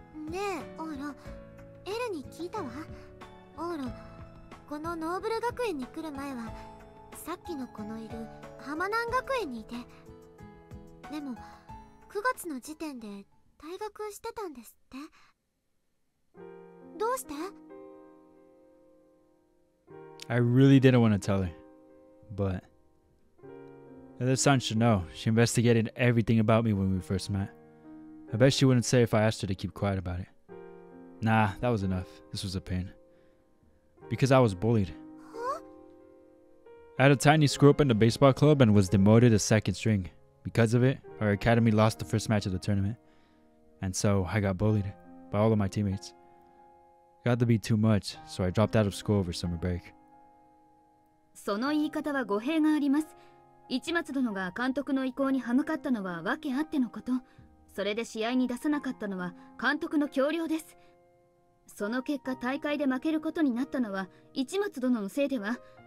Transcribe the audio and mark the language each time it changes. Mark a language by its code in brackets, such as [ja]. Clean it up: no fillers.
[ja] ねえ、オーロ、エルに聞いたわ。オーロ、このノーブル学園に来る前は、さっきの子のいる浜南学園にいて。でも、9月の時点で退学してたんですって。どうして？ [en] I really didn't want to tell her, but Elisan should know. She investigated everything about me when we first met. I bet she wouldn't say if I asked her to keep quiet about it. Nah, that was enough. This was a pain. Because I was bullied. Huh? I had a tiny screw up in the baseball club and was demoted to second string. Because of it, our academy lost the first match of the tournament. And so I got bullied by all of my teammates. Got to be too much, so I dropped out of school over summer break. [ja] その言い方は語弊があります。一松殿が監督の意向に歯向かったのは訳あってのこと。それで試合に出さなかったのは監督の強要です。その結果大会で負けることになったのは一松殿のせいでは。